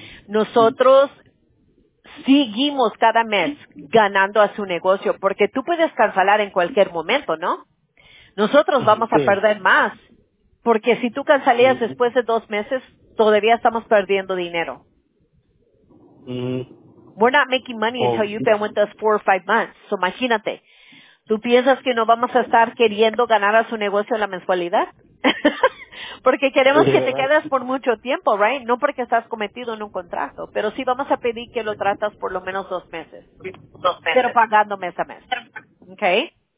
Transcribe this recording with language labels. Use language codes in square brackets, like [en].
[es] Nosotros seguimos cada mes ganando a su negocio, porque tú puedes cancelar en cualquier momento, ¿no? Nosotros vamos a perder más, porque si tú cancelas después de 2 meses, todavía estamos perdiendo dinero. [en] We're not making money until you've been with us 4 or 5 months. [es] So imagínate, ¿tú piensas que no vamos a estar queriendo ganar a su negocio la mensualidad? Porque queremos que te quedes por mucho tiempo, right? No porque estás cometido en un contrato, pero sí vamos a pedir que lo tratas por lo menos 2 meses. Pero pagando mes a mes. Okay.